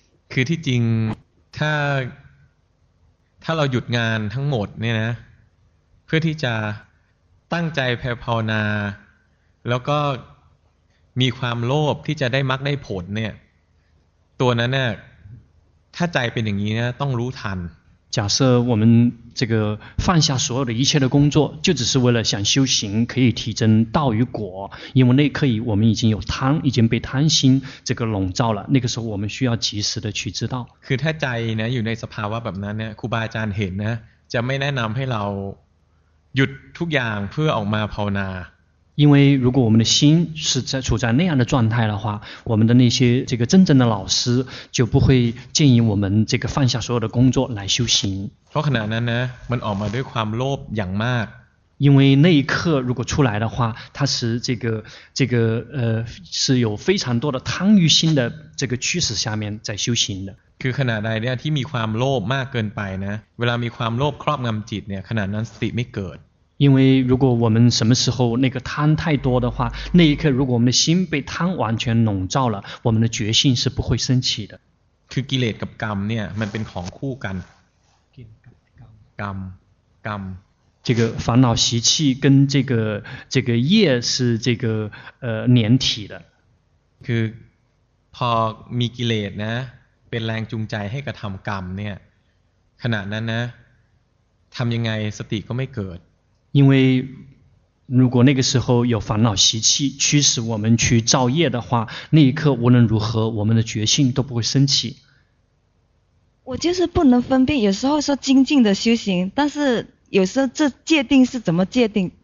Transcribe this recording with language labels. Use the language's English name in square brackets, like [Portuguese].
[Thai] คือที่จริงถ้าเราหยุดงานทั้งหมดเนี่ยนะเพื่อที่จะตั้งใจภาวนาแล้วก็มีความโลภที่จะได้มรรคได้ผลเนี่ยตัวนั้นเนี่ยถ้าใจเป็นอย่างนี้เนี่ยต้องรู้ทัน [Chinese] 假设我们这个放下所有的一切的工作就只是为了想修行可以提升道与果因为那刻我们已经有贪已经被贪心这个笼罩了那个时候我们需要及时的去知道 [Thai] คือถ้าใจเนี่ยอยู่ในสภาวะแบบนั้นเนี่ยครูบาอาจารย์เห็นนะจะไม่แนะนำให้เราหยุดทุกอย่างเพื่อออกมาภาวนา [Chinese] 因为如果我们的心是在处在那样的状态的话我们的那些这个真正的老师就不会建议我们这个放下所有的工作来修行 [Thai] เพราะขณะนั้นนะมันออกมาด้วยความโลภอย่างมาก [Chinese] 因为那一刻如果出来的话它是这个是有非常多的贪欲心的这个驱使下面在修行的 [Thai] คือขณะใดเนี่ยที่มีความโลภมากเกินไปนะเวลามีความโลภครอบงำจิตเนี่ยขณะนั้นสติไม่เกิด [Chinese] 因为如果我们什么时候那个贪太多的话那一刻如果我们的心被贪完全笼罩了我们的觉性是不会升起的 [Thai] คือกิเลสกับกรรมเนี่ยมันเป็นของคู่กันกรรม [Chinese] 这个烦恼习气跟这个业是连体的 [Thai] คือพอมีกิเลสนะเป็นแรงจูงใจให้กระทำกรรมเนี่ยขณะนั้นนะทำยังไงสติก็ไม่เกิด [Chinese] 因为如果那个时候有烦恼习气驱使我们去造业的话那一刻无论如何我们的觉性都不会升起我就是不能分辨有时候说精进的修行但是有时候这戒定是怎么戒定